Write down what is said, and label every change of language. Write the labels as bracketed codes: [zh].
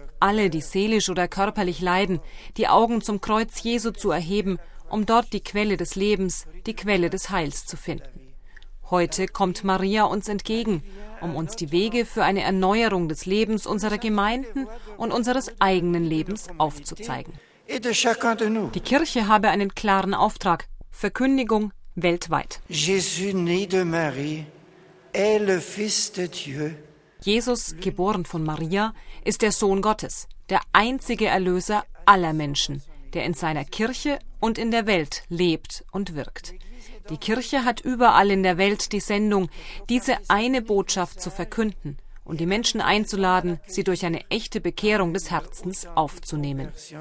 [de] Alle, die seelisch oder körperlich leiden, die Augen zum Kreuz Jesu zu erheben, um dort die Quelle des Lebens, die Quelle des Heils zu finden. Heute kommt Maria uns entgegen, um uns die Wege für eine Erneuerung des Lebens unserer Gemeinden und unseres eigenen Lebens aufzuzeigen. Die Kirche habe einen klaren Auftrag: Verkündigung weltweit. [fr] Jésus né de Marie est le Fils de Dieu. [de] Jesus, geboren von Maria, ist der Sohn Gottes, der einzige Erlöser aller Menschen, der in seiner Kirche und in der Welt lebt und wirkt. Die Kirche hat überall in der Welt die Sendung, diese eine Botschaft zu verkünden und die Menschen einzuladen, sie durch eine echte Bekehrung des Herzens aufzunehmen.